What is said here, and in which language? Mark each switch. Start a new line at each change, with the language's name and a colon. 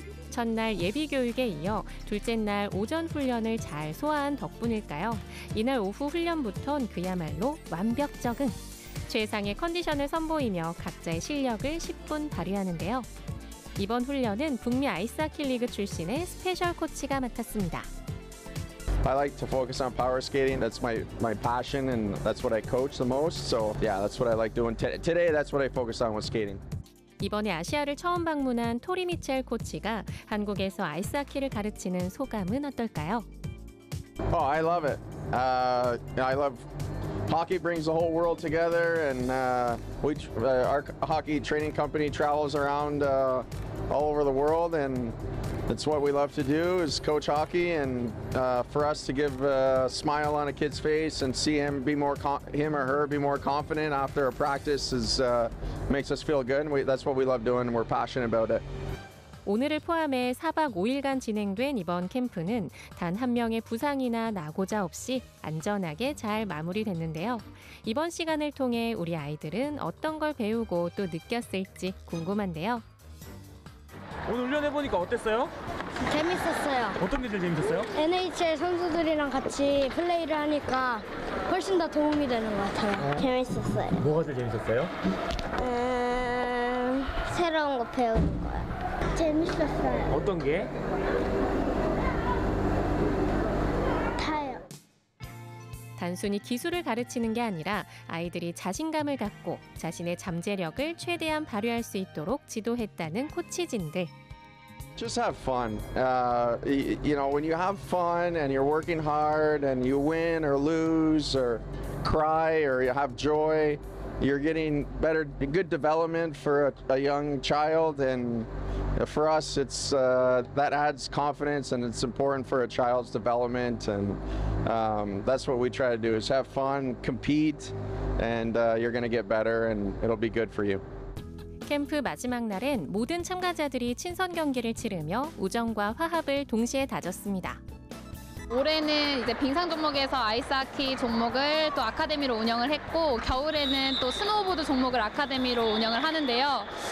Korean: 첫날 예비 교육에 이어 둘째 날 오전 훈련을 잘 소화한 덕분일까요? 이날 오후 훈련부터는 그야말로 완벽 적응! 최상의 컨디션을 선보이며 각자의 실력을 10분 발휘하는데요. 이번 훈련은 북미 아이스하키 리그 출신의 스페셜 코치가 맡았습니다.
English: I like to focus on power skating. That's my passion and that's what I coach the most. So yeah, that's what I like doing. Today, that's what I focus on with skating.
Korean: 이번에 아시아를 처음 방문한 토리 미첼 코치가 한국에서 아이스하키를 가르치는 소감은 어떨까요?
English: Oh, I love it. I love hockey brings the whole world together and our hockey training company travels around all over the world and that's what we love to do is coach hockey and for us to give a smile on a kid's face and see him be more him or her be more confident after a practice is makes us feel good. That's what we love doing and we're passionate about it.
Korean: 오늘을 포함해 4박 5일간 진행된 이번 캠프는 단 한 명의 부상이나 낙오자 없이 안전하게 잘 마무리됐는데요. 이번 시간을 통해 우리 아이들은 어떤 걸 배우고 또 느꼈을지 궁금한데요. 오늘 훈련해보니까 어땠어요? 재밌었어요. 어떤 게 제일 재밌었어요? NHL 선수들이랑 같이 플레이를 하니까 훨씬 더 도움이 되는 것 같아요. 재밌었어요. 뭐가 제일 재밌었어요? 새로운 거 배우는 거요. 재밌었어요. 어떤 게? 타요. 단순히 기술을 가르치는 게 아니라 아이들이 자신감을 갖고 자신의 잠재력을 최대한 발휘할 수 있도록 지도했다는 코치진들.
English: Just have fun. You know, when you have fun and you're working hard and you win or lose or cry or you have joy, you're getting better, good development for a young child. And for us, it's that adds confidence and it's important for a child's development. And that's what we try to do is have fun, compete, and you're going to get better and it'll be good for you.
Korean: 캠프 마지막 날엔 모든 참가자들이 친선 경기를 치르며 우정과 화합을 동시에 다졌습니다. 올해는 이제 빙상 종목에서 아이스하키 종목을 또 아카데미로 운영을 했고 겨울에는 또 스노우보드 종목을 아카데미로 운영을 하는데요.